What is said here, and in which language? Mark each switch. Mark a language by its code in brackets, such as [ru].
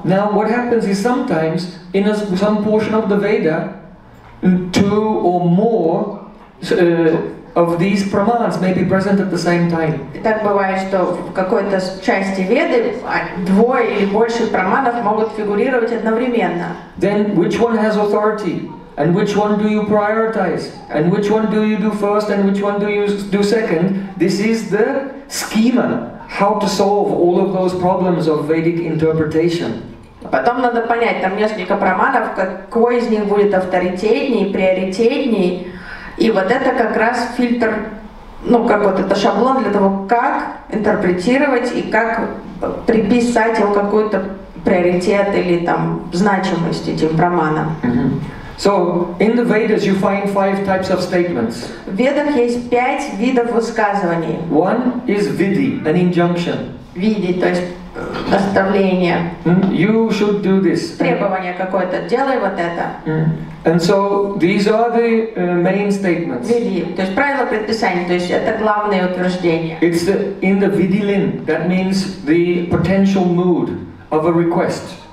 [en] Now what happens is sometimes in some portion of the Veda, two or more of these pramanas may be present at the same time. [ru] И так бывает, что в какой-то части Веды двое или больше праманов могут фигурировать одновременно. [en] Then which one has authority? And which one do you prioritize? And which one do you do first? And which one do you do second? This is the schema. How to solve all of those problems of Vedic interpretation? [ru] Потом надо понять, там несколько праманов, какой из них будет авторитетней, приоритетней, и вот это как раз фильтр, ну как вот это шаблон для того, как интерпретировать и как приписать им какой-то приоритет или там значимость этим праманам. [en] So in the Vedas you find five types of statements. [ru] В Ведах есть пять видов высказываний. [en] One is vidhi, an injunction. [ru] Vidhi, то есть наставление. [en] You should do this. [ru] Требование какое-то. Делай вот это. [en] And so these are the main statements. [ru] Vidhi, то есть правила предписания, то есть это главное утверждение. [en] It's in the vidhilin, that means the potential mood of a request.